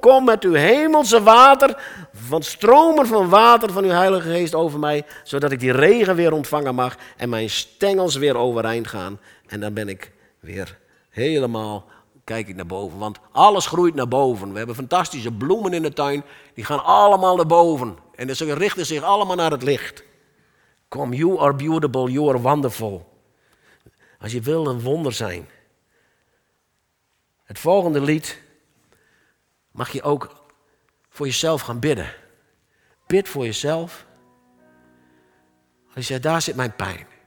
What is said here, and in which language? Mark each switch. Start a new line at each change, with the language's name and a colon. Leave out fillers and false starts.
Dutch: Kom met uw hemelse water, van stromen van water van uw Heilige Geest over mij, zodat ik die regen weer ontvangen mag en mijn stengels weer overeind gaan. En dan ben ik weer helemaal, kijk ik naar boven. Want alles groeit naar boven. We hebben fantastische bloemen in de tuin. Die gaan allemaal naar boven. En ze richten zich allemaal naar het licht.
English: Kom, you are beautiful, you are wonderful.
Dutch: Als je wil een wonder zijn. Het volgende lied mag je ook voor jezelf gaan bidden. Bid voor jezelf. Als je zegt, daar zit mijn pijn.